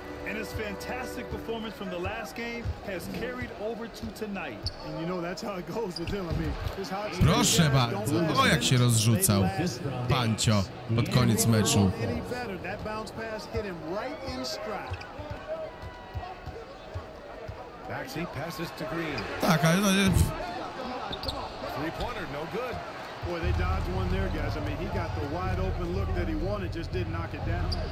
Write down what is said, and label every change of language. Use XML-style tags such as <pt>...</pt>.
<en>And his fantastic performance from the last game has carried over to tonight. And you know that's how it goes with him. I mean, his hot streak.</en> <pl>Proszę bardzo. O jak się rozrzucał, Pancho, pod koniec meczu.</pl> <en>That bounce pass hit him right in stride. Maxi passes to Green.</en> <pl>Tak, ale no.</pl> <en>Three-pointer, no good. Boy, they dodged one there, guys. I mean, he got the wide open look that he wanted, just didn't knock it down.</en>